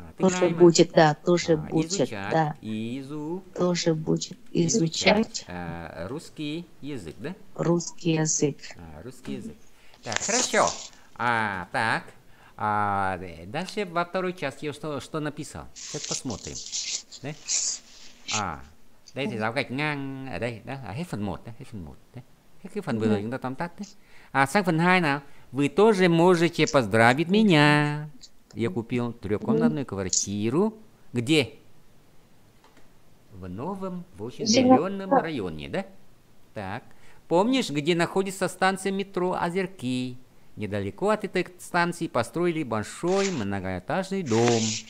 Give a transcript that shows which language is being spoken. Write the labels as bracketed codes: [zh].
[ru] тоже будет, да, тоже будет, да. Изучать, тоже будет изучать русский язык, да? Русский язык. Русский язык. Так, хорошо. Так. Дальше во второй части я что написал? Сейчас посмотрим. Да? [vi] Đây thì giáo gạch ngang ở đây đó là hết phần 1 đấy, hết phần 1 đấy. Hết cái phần vừa rồi chúng ta tóm tắt đấy. À sang phần 2 nào. [ru] Вы тоже можете поздравить меня. Я купил трёхкомнатную квартиру. Где? В новом, в очень зелёном районе, да? Так. Помнишь, где находится станция метро Озерки? Недалеко от этой станции построили большой многоэтажный дом.